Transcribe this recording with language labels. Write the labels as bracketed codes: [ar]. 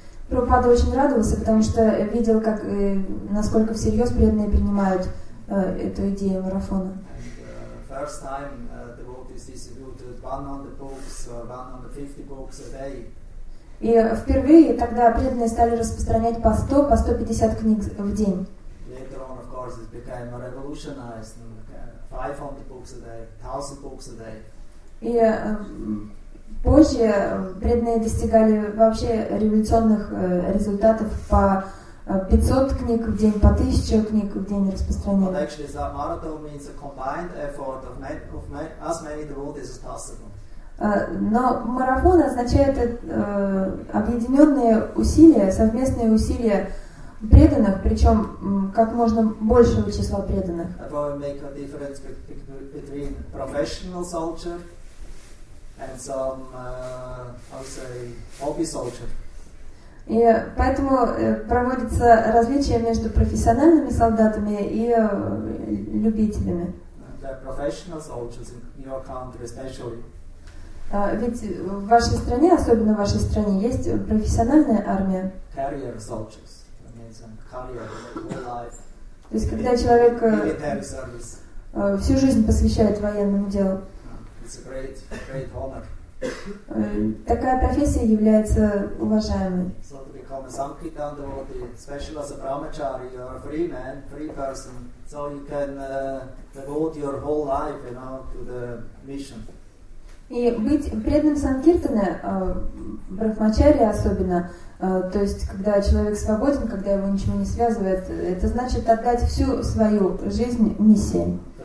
[ru] Прабхупада очень радовался, потому что видел, насколько всерьез преданные принимают эту идею марафона. [en] first time devotees distributed one on the books, one on the 50 books a day. [ru] И впервые тогда преданные стали распространять по 100, по 150 книг в день. [en] Later on, of course, it became revolutionized. 500 books a day, 1000 books a day. [ru] И позже преданные достигали вообще революционных результатов по 500 книг в день, по 1000 книг в день распространения. [en] But actually, the marathon means a combined effort of as many devotees as possible. [ru] Но марафон означает объединенные усилия, совместные усилия преданных, причем как можно большего числа преданных. [en] We make a difference between professional soldier and some, I'll say, hobby soldier. [ru] И поэтому проводится различие между профессиональными солдатами и любителями. [en] The professional soldiers in your country especially. [ru] Ведь в вашей стране, особенно в вашей стране, есть профессиональная армия. [en] Career soldiers. That means a career in life. [ru] То есть когда человек [en] military service. [ru] Всю жизнь посвящает военному делу. [en] It's a great, great honor. [ru] Такая профессия является уважаемой. [en] So to become a Sankirtan devotee, especially as a brahmachari, you're a free man, free person, so you can devote your whole life, you know, to the mission. [ru] И быть преданным санкиртана, брахмачари особенно, то есть когда человек свободен, когда его ничего не связывает, это значит отдать всю свою жизнь миссии.